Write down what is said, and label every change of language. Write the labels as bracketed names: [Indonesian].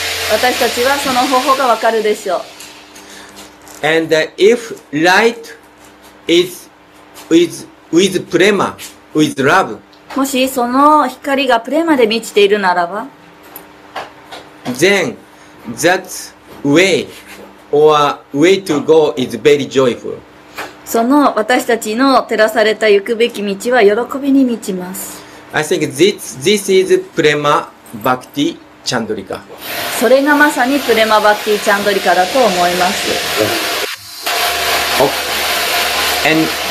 [Japanese] 私たちはその方法がわかるでしょう。 [English] And if light is with prema, with love. [Japanese] もしその光がプレマで満ちているならば。 [English] Then that way or way to go is very joyful. [Japanese] その私たちの照らされた行くべき道は喜びに満ちます。 [English] I think this is Prema Bhakti Chandrika. [Japanese] それがまさにプレマバクティチャンドリカだと思います。 [English] Oh. And